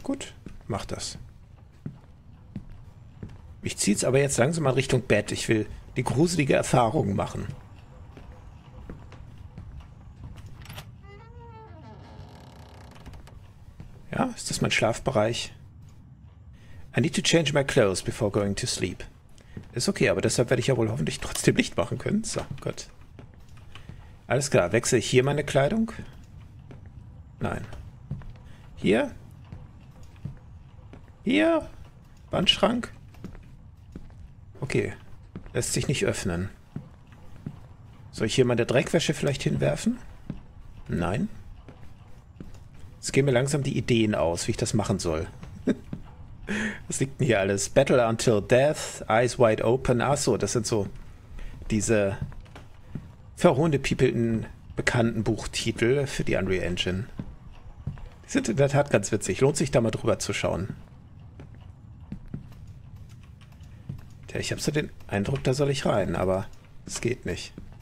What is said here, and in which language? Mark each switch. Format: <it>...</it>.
<de>Gut, mach das. Mich zieht's aber jetzt langsam mal Richtung Bett. Ich will die gruselige Erfahrung machen. Ja, ist das mein Schlafbereich?</de> <en>I need to change my clothes before going to sleep.</en> <de>Ist okay, aber deshalb werde ich ja wohl hoffentlich trotzdem Licht machen können. So, gut. Alles klar, wechsle ich hier meine Kleidung? Nein. Hier? Hier? Wandschrank? Okay, lässt sich nicht öffnen. Soll ich hier meine Dreckwäsche vielleicht hinwerfen? Nein. Jetzt gehen mir langsam die Ideen aus, wie ich das machen soll. Was liegt denn hier alles?</de> <en>Battle until death, eyes wide open.</en> <de>Achso, das sind so diese verhundepiepelten bekannten Buchtitel für die Unreal Engine. Die sind in der Tat ganz witzig. Lohnt sich da mal drüber zu schauen. Tja, ich habe so den Eindruck, da soll ich rein, aber es geht nicht.</de>